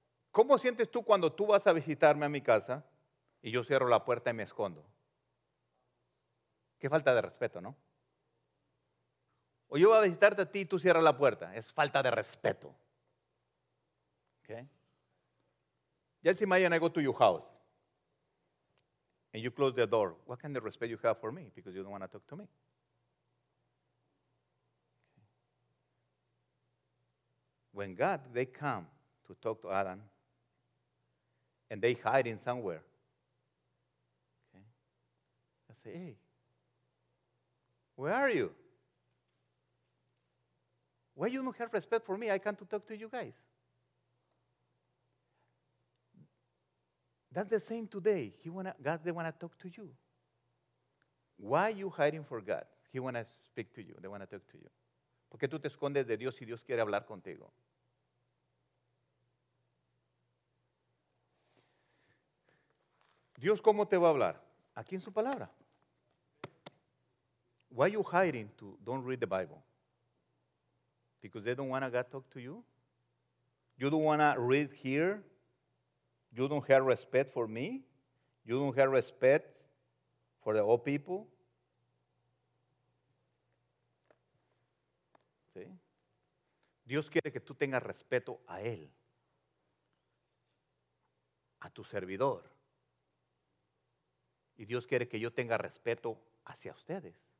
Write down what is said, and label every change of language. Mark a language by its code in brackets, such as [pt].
[es] ¿Cómo sientes tú cuando tú vas a visitarme a mi casa y yo cierro la puerta y me escondo? Qué falta de respeto, ¿no? O yo voy a visitarte a ti y tú cierras la puerta. Es falta de respeto. ¿Ok? Ya si mañana [en] I go to your house and you close the door, what kind of respect you have for me because you don't want to talk to me? When God, they come to talk to Adam and they hide in somewhere. Okay. I say, hey, where are you? Why you don't have respect for me? I come to talk to you guys. That's the same today. God wants to talk to you. Why are you hiding for God? He wants to speak to you. They want to talk to you. [es] ¿Por qué tú te escondes de Dios si Dios quiere hablar contigo? ¿Dios cómo te va a hablar? Aquí en su palabra. [en] Why are you hiding to don't read the Bible? Because they don't want God to talk to you? You don't want to read here? You don't have respect for me. You don't have respect for the old people. [es] ¿Sí? Dios quiere que tú tengas respeto a Él, a tu servidor. Y Dios quiere que yo tenga respeto hacia ustedes.